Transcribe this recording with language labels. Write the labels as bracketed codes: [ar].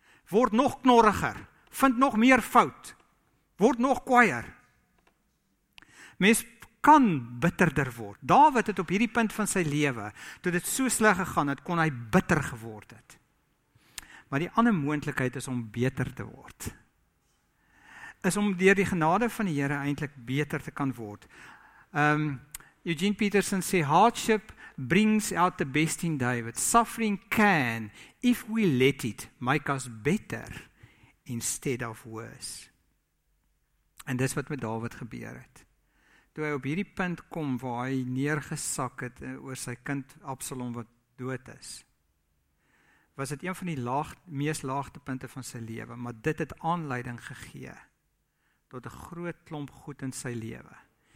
[af] Word nog knorriger, vind nog meer fout, word nog kwaaier. Mense kan bitterder word. Dawid het op hierdie punt van sy lewe, toe dit so sleg gegaan het, kon hy bitter geword het. Maar die ander moontlikheid is om beter te word. Is om deur die genade van die Here eintlik beter te kan word. [en] Eugene Peterson sê, "Hardship brings out the best in David. Suffering can, if we let it, make us better instead of worse." [af] En dis wat met Dawid gebeur het. Toe hy op hierdie punt kom waar hy neergesak het oor sy kind Absalom wat dood is, was dit een van die meest laagste punte van sy lewe, maar dit het aanleiding gegee tot 'n groot klomp goed in sy lewe.